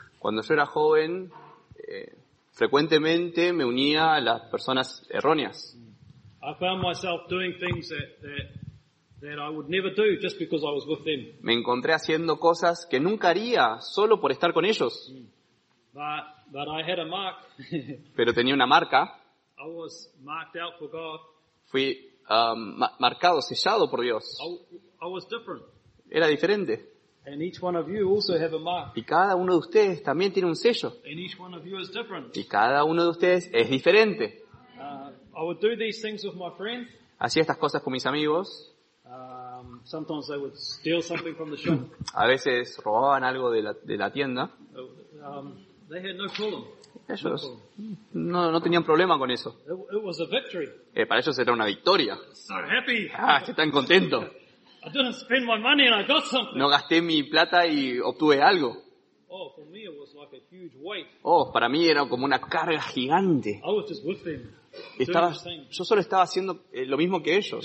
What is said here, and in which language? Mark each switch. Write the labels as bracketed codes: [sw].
[es] Cuando yo era joven, frecuentemente me unía a las personas erróneas. [en] I found myself doing things that I would never do just because I was with them. [es] Me encontré haciendo cosas que nunca haría solo por estar con ellos. [en] But I had a mark. [es] Pero tenía una marca. [en] I was marked out for God. [es] Fui marcado, sellado por Dios. [en] I was different. [es] Era diferente. [en] And each one of you also have a mark. [es] Y cada uno de ustedes también tiene un sello. [en] And each one of you is different. [es] Y cada uno de ustedes es diferente. [en] I would do these things with my friends. [es] Hacía estas cosas con mis amigos. [en] Sometimes they would steal something from the shop. [es] A veces robaban algo de la tienda. [en] They had no problem. [es] Ellos no tenían problema con eso. [en] It was a victory. [es] Para ellos era una victoria. [en] So happy. [es] Estoy tan contento. [en] I didn't spend my money and I got something. [es] No gasté mi plata y obtuve algo. [en] Oh, for me it was like a huge weight. [es] Oh, para mí era como una carga gigante. [en] I was just with them. [es] Yo solo estaba haciendo lo mismo que ellos.